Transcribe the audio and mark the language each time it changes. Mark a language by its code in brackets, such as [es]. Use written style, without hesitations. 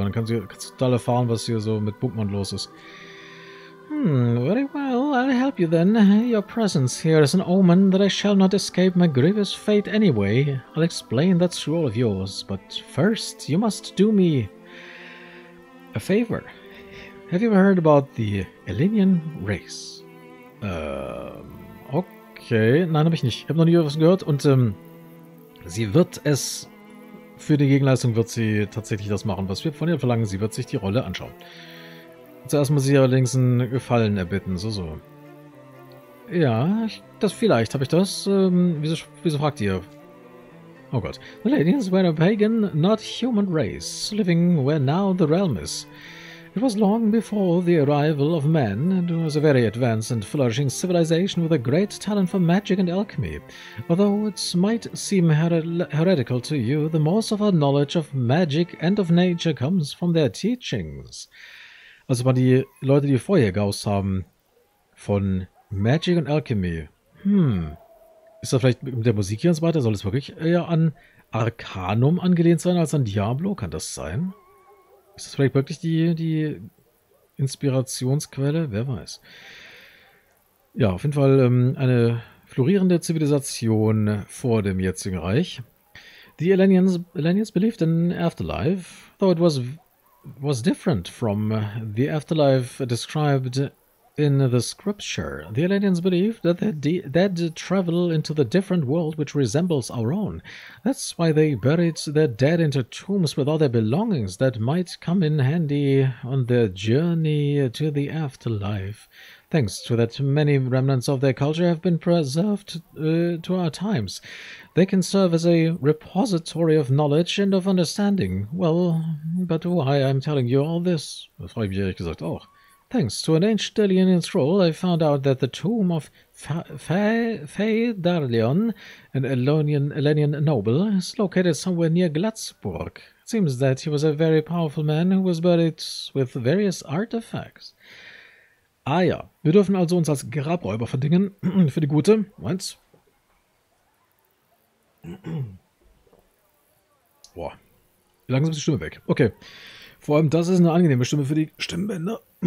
[de] Dann kannst du total erfahren, was hier so mit Bookman los ist. [en] Very well, I'll help you then. Your presence here is an omen that I shall not escape my grievous fate anyway. I'll explain that scroll of yours, but first you must do me a favor. Have you heard about the Elinian race? [de] Okay, nein, habe ich nicht. Ich habe noch nie was gehört und sie wird es für die Gegenleistung wird sie tatsächlich das machen, was wir von ihr verlangen. Sie wird sich die Rolle anschauen. Zuerst muss ich allerdings einen Gefallen erbitten, so. Ja, vielleicht habe ich das. Wieso fragt ihr? Oh Gott. [en] The Ladians were a pagan, not human race, living where now the realm is. It was long before the arrival of men, and it was a very advanced and flourishing civilization with a great talent for magic and alchemy. Although it might seem heretical to you, the most of our knowledge of magic and of nature comes from their teachings. [de] Also mal die Leute, die vorher gehaust haben, von Magic und Alchemy. Ist das vielleicht mit der Musik hier und so weiter? Soll es wirklich eher an Arcanum angelehnt sein als an Diablo? Kann das sein? Ist das vielleicht wirklich die Inspirationsquelle? Wer weiß. Ja, auf jeden Fall eine florierende Zivilisation vor dem jetzigen Reich. [en] The Elenians believed in afterlife, though it was different from the afterlife described in the scripture. The Elenians believed that they'd travel into the different world which resembles our own. That's why they buried their dead into tombs with all their belongings that might come in handy on their journey to the afterlife. Thanks to that, many remnants of their culture have been preserved to our times. They can serve as a repository of knowledge and of understanding. Well, but why I'm telling you all this? [de] Das freue ich mich ehrlich gesagt auch. [en] Thanks to an ancient Elinian scroll, I found out that the tomb of Faedarlion, an Elenian noble, is located somewhere near Glatzburg. It seems that he was a very powerful man who was buried with various artifacts. [de] Ah ja, wir dürfen also uns als Grabräuber verdingen, für die Gute. Moment. Boah, wie langsam ist die Stimme weg? Okay, vor allem das ist eine angenehme Stimme für die Stimmbänder.